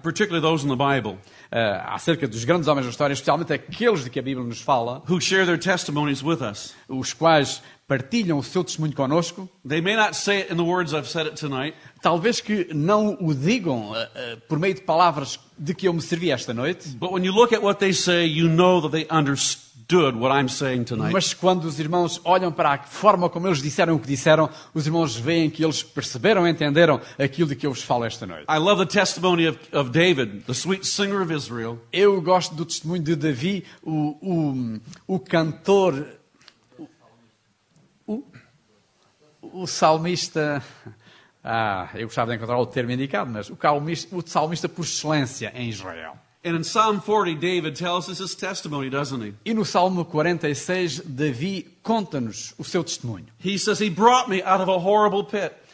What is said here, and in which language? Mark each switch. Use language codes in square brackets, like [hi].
[en] particularly those in the Bible, [pt] acerca dos grandes homens na história, especialmente aqueles de que a Bíblia nos fala, [en] who share their testimonies with us, [pt] os quais partilham o seu testemunho connosco, [en] they may not say it in the words I've said it tonight, [pt] talvez que não o digam por meio de palavras de que eu me servi esta noite, [en] but when you look at what they say, you know that they understand. What I'm saying tonight. [pt] Mas quando os irmãos olham para a forma como eles disseram o que disseram, os irmãos veem que eles perceberam, entenderam aquilo de que eu vos falo esta noite. [en] I love the testimony of David, the sweet singer of Israel. [pt] Eu gosto do testemunho de Davi, o cantor, o salmista. Eu gostava de encontrar o termo indicado, mas o salmista por excelência em Israel. [en] And in Psalm 40, David tells us his testimony, doesn't he? [pt] E no Salmo 46, Davi conta-nos o seu testemunho. [en] He says he brought me out of a horrible pit.